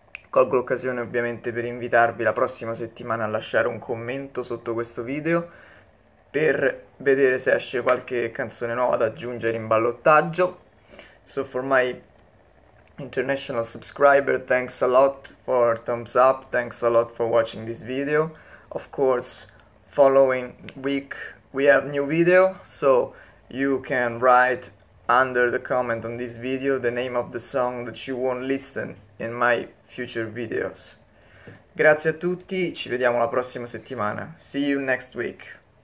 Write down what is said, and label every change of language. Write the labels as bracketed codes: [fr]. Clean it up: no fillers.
[it] Colgo l'occasione ovviamente per invitarvi la prossima settimana a lasciare un commento sotto questo video per vedere se esce qualche canzone nuova da aggiungere in ballottaggio. [en] So for my international subscriber, thanks a lot for thumbs up, thanks a lot for watching this video. Of course, following week we have new video, so you can write under the comment on this video the name of the song that you won't listen in my future future videos. [it] Grazie a tutti, ci vediamo la prossima settimana. [en] See you next week.